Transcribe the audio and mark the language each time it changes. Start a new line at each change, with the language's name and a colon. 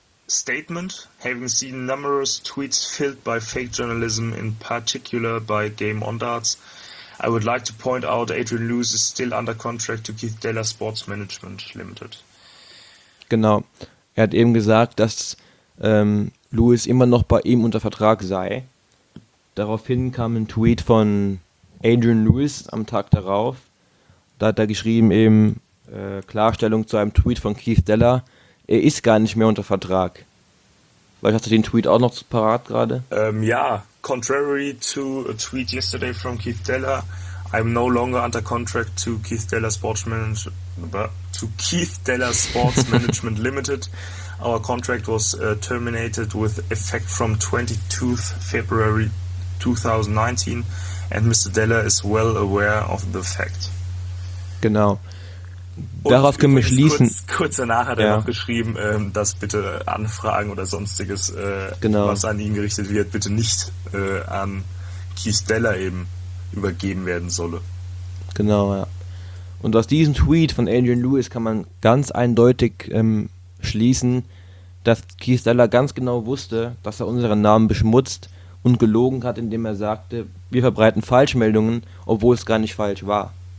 English: Statement, having seen numerous tweets filled by fake journalism, in particular by Game On Darts, I would like to point out Adrian Lewis is still under contract to Keith Taylor Sports Management Limited.
German: Genau. Er hat eben gesagt, dass Lewis immer noch bei ihm unter Vertrag sei. Daraufhin kam ein Tweet von Adrian Lewis am Tag darauf. Da hat er geschrieben eben Klarstellung zu einem Tweet von Keith Taylor. Er ist gar nicht mehr unter Vertrag. Weil hast du den Tweet auch noch parat gerade?
English: Contrary to a tweet yesterday from Keith Taylor, I'm no longer under contract to Keith Taylor Sports Management, Limited. Our contract was terminated with effect from 22th February 2019 and Mr. Taylor is well aware of the fact.
German: Genau. Darauf können wir schließen. Kurz danach hat er noch geschrieben, dass bitte Anfragen oder sonstiges, was an ihn gerichtet wird, bitte nicht an Keith Taylor eben übergeben werden solle. Genau, ja. Und aus diesem Tweet von Adrian Lewis kann man ganz eindeutig schließen, dass Keith Taylor ganz genau wusste, dass er unseren Namen beschmutzt und gelogen hat, indem er sagte, wir verbreiten Falschmeldungen, obwohl es gar nicht falsch war.